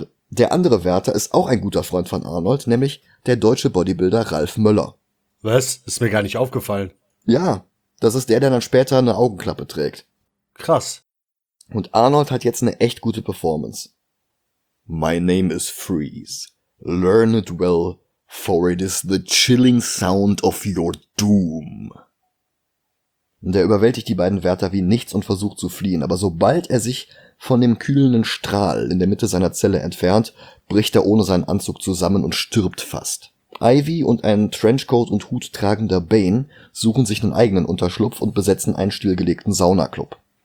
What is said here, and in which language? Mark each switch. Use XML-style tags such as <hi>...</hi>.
<de>Der andere Wärter ist auch ein guter Freund von Arnold, nämlich der deutsche Bodybuilder Ralf Möller. Was? Ist mir gar nicht aufgefallen. Ja, das ist der dann später eine Augenklappe trägt. Krass. Und Arnold hat jetzt eine echt gute Performance.</de> <en>My name is Freeze. Learn it well, for it is the chilling sound of your doom.</en> <de>Der überwältigt die beiden Wärter wie nichts und versucht zu fliehen, aber sobald er sich von dem kühlenden Strahl in der Mitte seiner Zelle entfernt, bricht er ohne seinen Anzug zusammen und stirbt fast. Ivy und ein Trenchcoat und Hut tragender Bane suchen sich einen eigenen Unterschlupf und besetzen einen stillgelegten Saunaclub.</de>